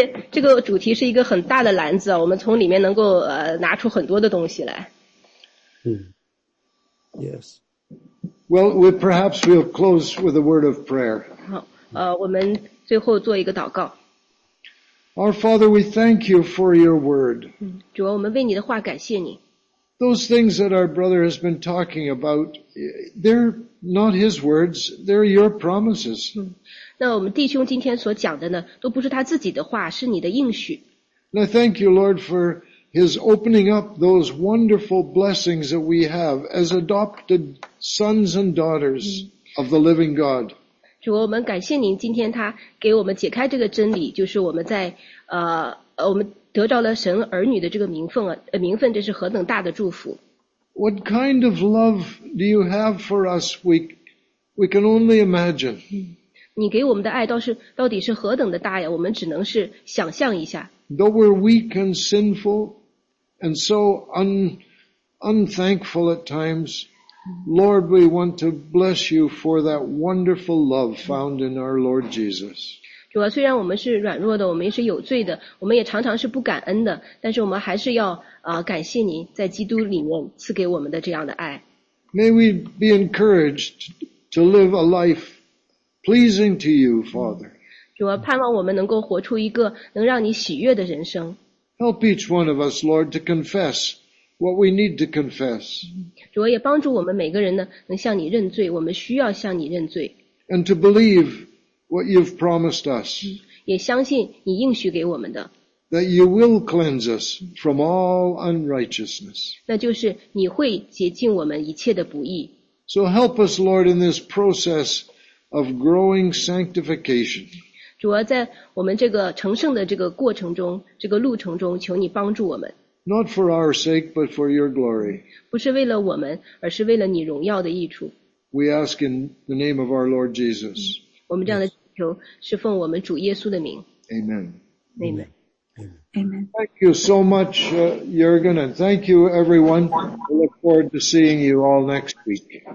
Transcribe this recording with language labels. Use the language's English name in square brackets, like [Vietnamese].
[Chinese] 这个主题是一个很大的篮子，我们从里面能够拿出很多的东西来。 [English] Yes. Well, we perhaps we'll close with a word of prayer. [Chinese] 好，我们最后做一个祷告。 [English] Our Father, we thank you for your word. [Chinese] 主啊，我们为你的话感谢你。 [English] Those things that our brother has been talking about, they're not his words, they're your promises. [Chinese] 那我们弟兄今天所讲的呢，都不是他自己的话，是你的应许。 [English] And I thank you, Lord, for his opening up those wonderful blessings that we have as adopted sons and daughters of the living God. [Chinese] 主，我们感谢您今天他给我们解开这个真理，就是我们在我们得着了神儿女的这个名分，这是何等大的祝福。 [English] What kind of love do you have for us? We can only imagine. [Chinese] 你给我们的爱到底是何等的大呀，我们只能是想象一下。 [English] Though we're weak and sinful and so unthankful at times, Lord, we want to bless you for that wonderful love found in our Lord Jesus. [Chinese] 主啊，虽然我们是软弱的，我们也是有罪的，我们也常常是不感恩的，但是我们还是要感谢您在基督里面赐给我们的这样的爱。 [English] May we be encouraged to live a life pleasing to you, Father. [Chinese] 主啊，盼望我们能够活出一个能让你喜悦的人生。 [English] Help each one of us, Lord, to confess what we need to confess. [Chinese] 主啊，也帮助我们每个人呢，能向你认罪，我们需要向你认罪。 [English] And to believe what you've promised us. [Chinese] 也相信你应许给我们的。 [English] That you will cleanse us from all unrighteousness. [Chinese] 那就是你会洁净我们一切的不义。 [English] So help us, Lord, in this process of growing sanctification. [Chinese] 主要在我们这个成圣的这个过程中，这个路程中，求你帮助我们。 [English] Not for our sake, but for your glory. [Chinese] 不是为了我们，而是为了你荣耀的益处。 [English] We ask in the name of our Lord Jesus. [Chinese] 我们这样的祈求是奉我们主耶稣的名。 [English] Amen. Amen. Amen. Thank you so much, Jurgen, and thank you, everyone. I look forward to seeing you all next week.